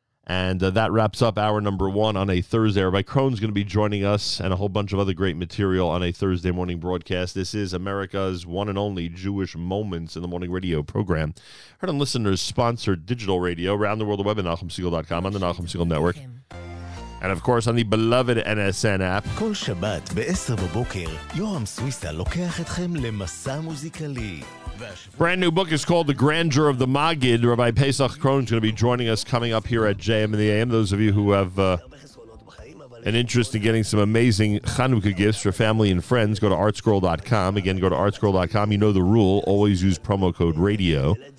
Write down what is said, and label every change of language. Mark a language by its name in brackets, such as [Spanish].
[English] And that wraps up hour number one on a Thursday. Rabbi Krohn's going to be joining us and a whole bunch of other great material on a Thursday morning broadcast. This is America's one and only Jewish Moments in the Morning radio program. Heard on listeners sponsored digital radio around the world, the web at NahumSiegel.com on the Nahum Siegel Network. And of course, on the beloved NSN app. [Hebrew] כל שבת ב-10 בבוקר, יורם סוויסה לוקח אתכם למסע מוזיקלי. [English] Brand new book is called The Grandeur of the Magid. Rabbi Pesach Krohn is going to be joining us coming up here at JM in the AM. Those of you who have an interest in getting some amazing Chanukah gifts for family and friends, go to artscroll.com. Again, go to artscroll.com. You know the rule. Always use promo code radio.